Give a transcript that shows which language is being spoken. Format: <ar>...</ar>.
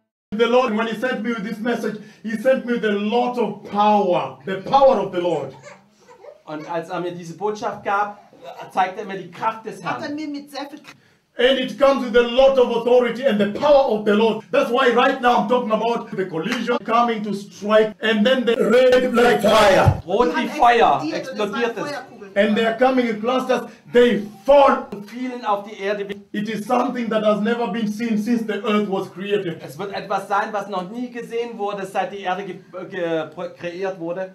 <en>the Lord, when he sent me with this message, he sent me with a lot of power, the power of the Lord.</en> <de>Und als er mir diese Botschaft gab, zeigte er mir die Kraft des Herrn. Hat er mir mit sehr viel Kraft.</de> <en>And it comes with a lot of authority and the power of the Lord. That's why right now I'm talking about the collision coming to strike and then the red like fire.</en> <de>Rot wie Feuer explodiert es.</de> <en>And they are coming in clusters, they fall.</en> <de>Fielen auf die Erde.</de> <en>It is something that has never been seen since the earth was created.</en> <de>Es wird etwas sein, was noch nie gesehen wurde, seit die Erde kreiert wurde.</de>